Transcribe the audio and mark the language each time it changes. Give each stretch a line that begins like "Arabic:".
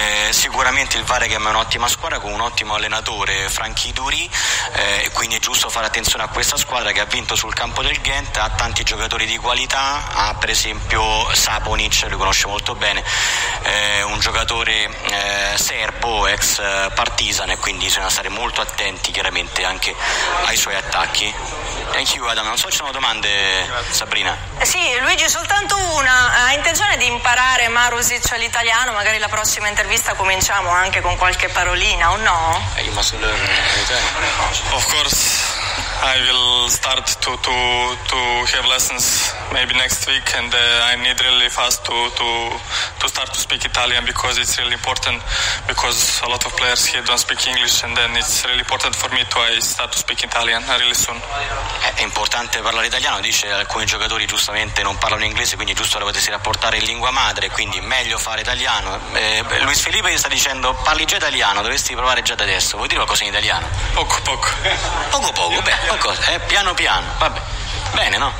Italian: Sicuramente il Waregem è un'ottima squadra con un ottimo allenatore, Franky Duri, e quindi è giusto fare attenzione a questa squadra che ha vinto sul campo del Ghent, ha tanti giocatori di qualità, ha per esempio Saponic, lo conosce molto bene, un giocatore serbo, ex Partizan, e quindi bisogna stare molto attenti chiaramente anche ai suoi attacchi. Thank you Adam, non so se ci sono domande. Grazie. Sabrina? Sì, Luigi, soltanto una. Ha intenzione di imparare Marusic all'italiano? Magari la prossima intervista cominciamo anche con qualche parolina, o no?
English: You must learn everything. Of course, I will start to have lessons maybe next week and I need really fast to start to speak Italian because it's really important because a lot of players here don't speak English and then it's really important for me to I start to speak Italian really soon.
Italian: È importante parlare italiano, dice, alcuni giocatori giustamente non parlano inglese, quindi è giusto che potessi rapportare in lingua madre, quindi meglio fare italiano. Luis Felipe gli sta dicendo parli già italiano, dovresti provare già da adesso. Vuoi dire qualcosa in italiano? Poco, beh, qualcosa, piano piano, vabbè, bene, no?